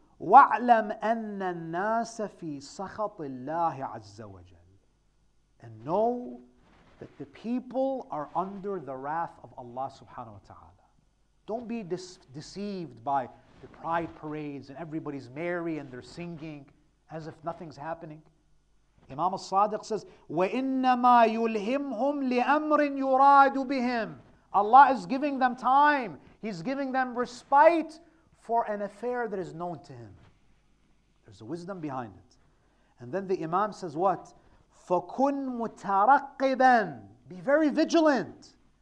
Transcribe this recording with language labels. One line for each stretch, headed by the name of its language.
Arabic: وَعْلَمْ أَنَّ النَّاسَ فِي سَخَطِ اللَّهِ عَزَّ وَجَلَ.
English: And know that the people are under the wrath of Allah subhanahu wa ta'ala. Don't be deceived by the pride parades and everybody's merry and they're singing as if nothing's happening.
Arabic: Imam al-Sadiq says, وَإِنَّمَا يُلْهِمْهُمْ لِأَمْرٍ يُرَادُ بِهِمْ.
English: Allah is giving them time. He's giving them respite for an affair that is known to Him. There's a wisdom behind it. And then the Imam says what?
Arabic: فَكُنْ مُتَرَقِّبًا.
English: Be very vigilant.